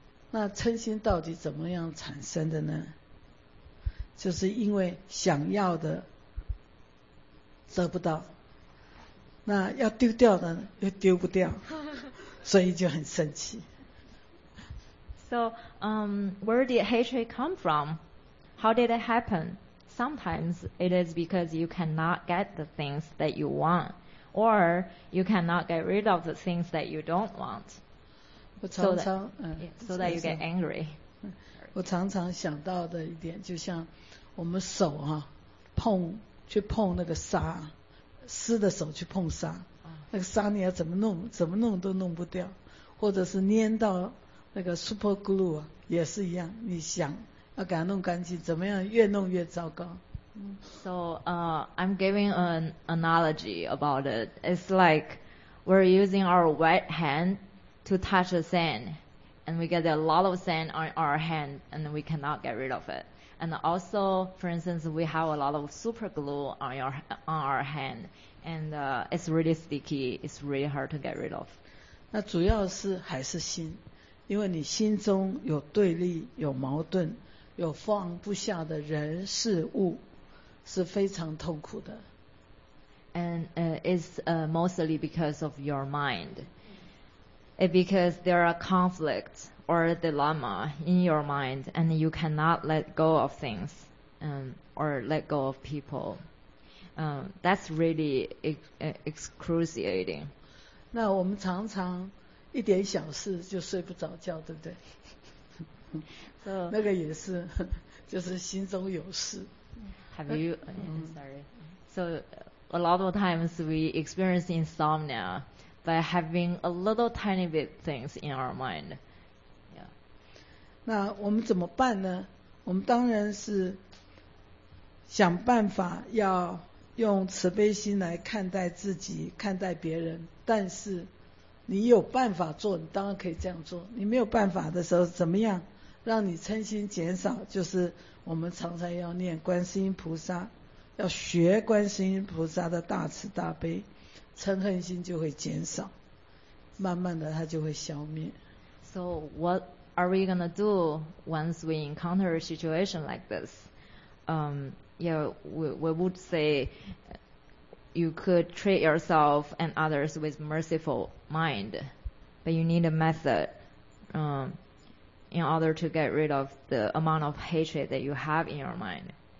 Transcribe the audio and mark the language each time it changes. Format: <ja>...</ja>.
<zh>那嗔心到底怎么样产生的呢？就是因为想要的得不到，那要丢掉的又丢不掉，所以就很生气。</zh> <en>So, where did hatred come from? How did it happen? Sometimes it is because you cannot get the things that you want, or you cannot get rid of the things that you don't want.</en> <zh>我常常</zh> <en>so that you get angry.</en> <zh>我常常想到的一点，就像我们手啊，碰去碰那个沙，湿的手去碰沙，那个沙你要怎么弄，怎么弄都弄不掉，或者是粘到。那个 super glue 也是一样，你想要给它弄干净，怎么样越弄越糟糕。</zh> <en>So, I'm giving an analogy about it. It's like we're using our wet hand to touch the sand, and we get a lot of sand on our hand, and we cannot get rid of it. And also, for instance, we have a lot of super glue on our hand, and it's really sticky. It's really hard to get rid of.</en> <zh>那主要是还是心。因为你心中有对立，有矛盾，有放不下的人事物，是非常痛苦的。</zh> <en>And it's mostly because of your mind. It's because there are conflicts or a dilemma in your mind, and you cannot let go of things, or let go of people. That's really excruciating.</en> <zh>那我们常常一点小事就睡不着觉，对不对？</zh> <en>So,</en> <zh>那个也是，就是心中有事。</zh> <en>Have you? Sorry. So a lot of times we experience insomnia by having a little tiny bit things in our mind. Yeah.</en> <zh>那我们怎么办呢？我们当然是想办法要用慈悲心来看待自己，看待别人，但是。你有办法做，你当然可以这样做。你没有办法的时候，怎么样让你嗔心减少？就是我们常常要念观世音菩萨，要学观世音菩萨的大慈大悲，嗔恨心就会减少，慢慢的它就会消灭。</zh> <en>So what are we gonna do once we encounter a situation like this? Yeah, we would say. You could treat yourself and others with merciful mind, but you need a method in order to get rid of the amount of hatred that you have in your mind.</en>